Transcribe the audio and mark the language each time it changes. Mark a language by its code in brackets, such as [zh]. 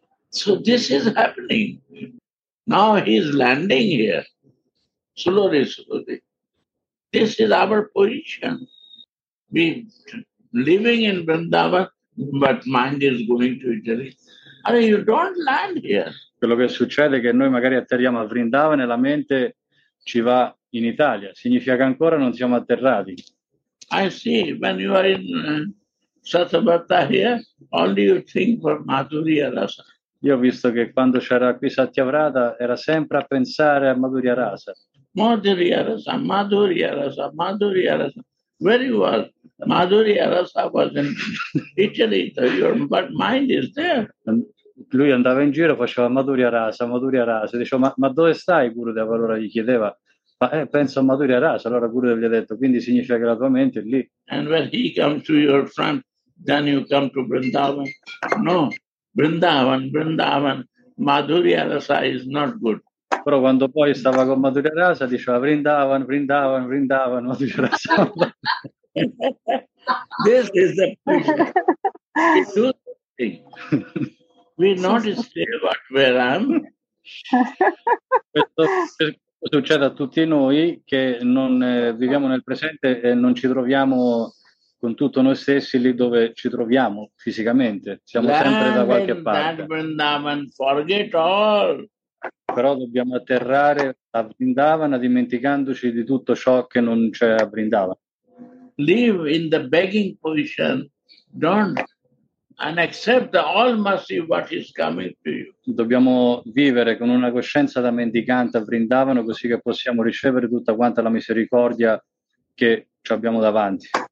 [en] So this is happening. Now he's landing here, slowly, slowly. This is our position. We living in Vrindavan, but mind is going to Italy. And you don't land here. [it] Quello che succede è che noi magari atterriamo a Vrindavan e la mente ci va in Italia. Significa che ancora non siamo atterrati. [en] I see. When you are in Satyavrata here, only you think for Madhuri Rasa. [it] Io ho visto che quando c'era qui Satyavrata era sempre a pensare a Madhuri Rasa. [en] Madhurya Rasa, Madhurya Rasa, Madhurya Rasa. Where you are? Madhurya Rasa was in Italy, but mind is there. [it] Lui andava in giro, faceva Madhurya Rasa, Madhurya Rasa. Diceva, ma dove stai, Gurudev? Allora gli chiedeva, ma penso a Madhurya Rasa. Allora Gurudev gli ha detto, quindi significa che la tua mente è lì. [en] And when he comes to your front, then you come to Vrindavan. No, Vrindavan, Vrindavan, Madhurya Rasa is not good. [it] Però quando poi stava con Madhurya Rasa diceva Vrindavan, Vrindavan, Vrindavan, Madhurya Rasa. [en] This is the thing. We notice what we am. [it] Questo succede a tutti noi che non viviamo nel presente e non ci troviamo con tutto noi stessi lì dove ci troviamo fisicamente. Siamo [en] land [it] sempre da qualche parte. [en] That Vrindavan, forget all. [it] Però dobbiamo atterrare a Vrindavan dimenticandoci di tutto ciò che non c'è a Vrindavan. [en] Live in the begging position, don't, and accept the all mercy what is coming to you. [it] Dobbiamo vivere con una coscienza da mendicante a Vrindavan così che possiamo ricevere tutta quanta la misericordia che ci abbiamo davanti.